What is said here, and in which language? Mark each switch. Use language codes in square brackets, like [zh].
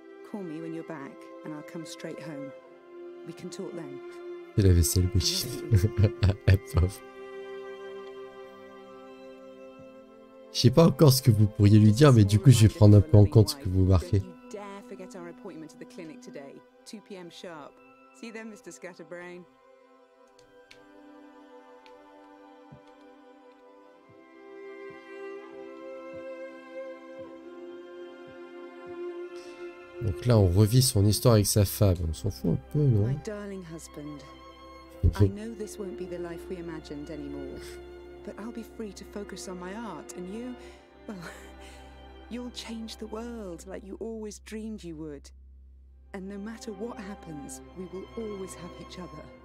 [en] Call me when you're back and I'll come straight home. We can talk then. [fr] C'est la vaisselle, Brigitte. Je sais pas encore ce que vous pourriez lui dire, mais du coup, je vais prendre un peu en compte ce que vous marquez. [en] Dare forget our appointment at the clinic today. 2 p.m. sharp. See you then, Mr. Scatterbrain. [fr] Donc là, on revit son histoire avec sa femme. On s'en fout un peu, non? [en] My darling husband, I know this won't be the life we imagined anymore, but I'll be free to focus on my art, and you, well, you'll change the world like you always dreamed you would. And no matter what happens, we will always have each other.